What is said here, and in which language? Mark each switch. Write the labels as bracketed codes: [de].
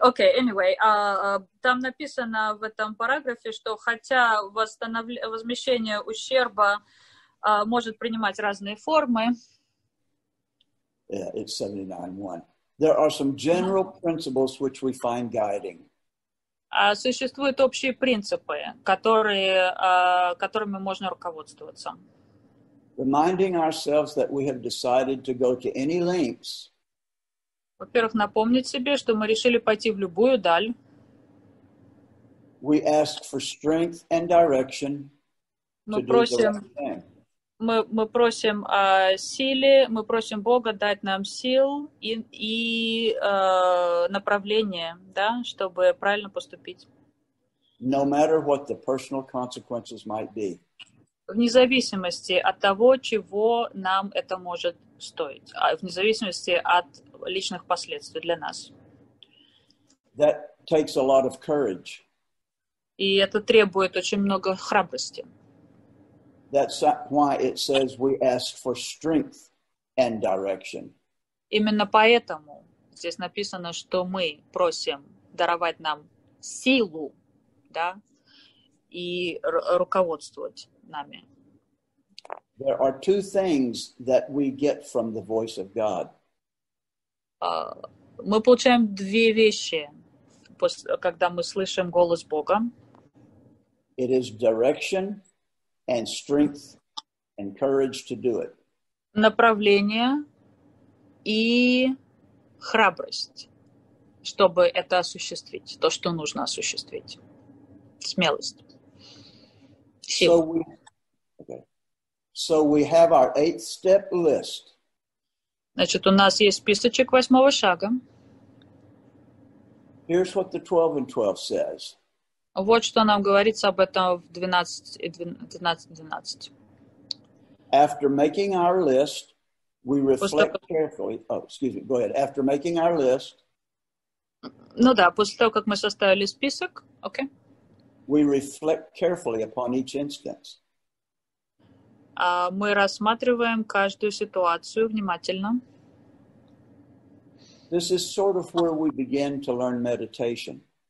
[en] Okay, anyway, [ru] там написано в этом параграфе, что хотя возмещение ущерба может принимать разные формы. [en] Yeah, it's 79.1. There are some general principles which we find guiding. [ru] Существуют общие принципы, которыми можно руководствоваться. [en] Reminding ourselves that we have decided to go to any lengths. [ru] Во-первых, напомнить себе, что мы решили пойти в любую даль. [en] We ask for strength and direction. [ru] Мы просим. мы просим о силе, мы просим Бога дать нам сил и направление, да, чтобы правильно поступить. [en] No matter what the personal consequences might be. [ru] Вне зависимости от того, чего нам это может стоить, вне зависимости от личных последствий для нас. [en] That takes a lot of courage. [ru] И это требует очень много храбрости. [en] That's why it says we ask for strength and direction. [ru] Именно поэтому здесь написано, что мы просим даровать нам силу, да, и руководствовать нами. [en] There are two things that we get from the voice of God. [ru] Мы получаем две вещи, когда мы слышим голос Бога. [en] It is direction and strength and courage to do it. [ru] Направление и храбрость, чтобы это осуществить, то, что нужно осуществить. Смелость. [en] So we, okay. So we have our 8-step list. [ru] Значит, у нас есть списочек восьмого шага. [en] Here's what the 12 and 12 says. [ru] Вот что нам говорится об этом в 12:12. [en] After making our list, we reflect carefully. Oh, excuse me, go ahead. After making our list. [ru] Ну да, после того, как мы составили список, okay. [en] We reflect carefully upon each instance. [ru] Мы рассматриваем каждую ситуацию внимательно. [en] This is sort of where we begin to learn meditation.